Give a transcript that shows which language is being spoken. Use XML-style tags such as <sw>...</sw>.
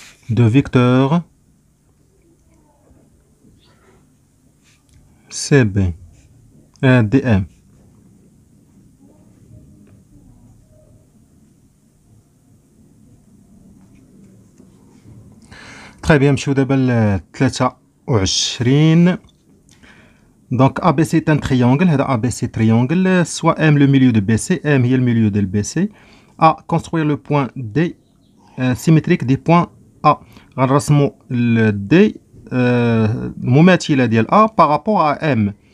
<fr>de vecteur CB DM. Très bien,</fr> <ar>نمشيو دابا ل 23.</ar> <fr>دونك ABC est un triangle. هذا ABC triangle. Soit M le milieu de BC.</fr> <ar>M هي الميليو ديال BC.</ar> <fr>A construire le point D symétrique des points A.</fr> <ar>غنرسمو الدي المماثلة ديال A بارابور أ M.</ar>